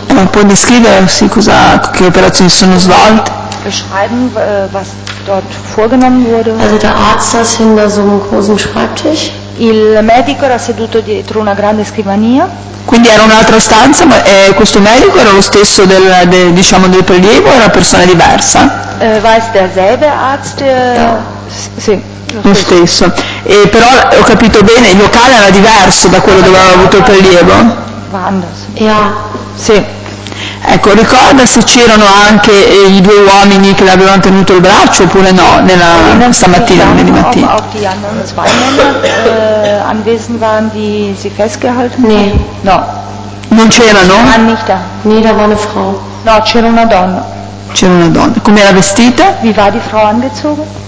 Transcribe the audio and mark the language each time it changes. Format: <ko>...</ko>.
<it>Può descriversi che operazioni sono svolte?</it> <de>Beschreiben, was dort vorgenommen wurde. Also der Arzt saß hinter so einem großen Schreibtisch.</de> <it>Il medico era seduto dietro una grande scrivania. Quindi era un'altra stanza, ma questo medico era lo stesso del prelievo, era persona diversa?</it> <de>War es derselbe Arzt? Sì.</de> <it>Lo stesso. E però ho capito bene, il locale era diverso da quello dove aveva avuto il prelievo?</it> <de>War anders. Ja.</de> <it>Sì. Ecco, ricorda se c'erano anche i due uomini che l'avevano tenuto il braccio oppure no, nella stamattina, lunedì mattina?</it> <de>Auch die anderen zwei Männer anwesend waren, die sie festgehalten haben?</de> <it>No. Non c'erano?</it> <de>Waren nicht da. Nee, da war eine Frau.</de> <it>No, c'era una donna. C'era una donna. Come era vestita?</it> <de>Wie war die Frau angezogen?</de>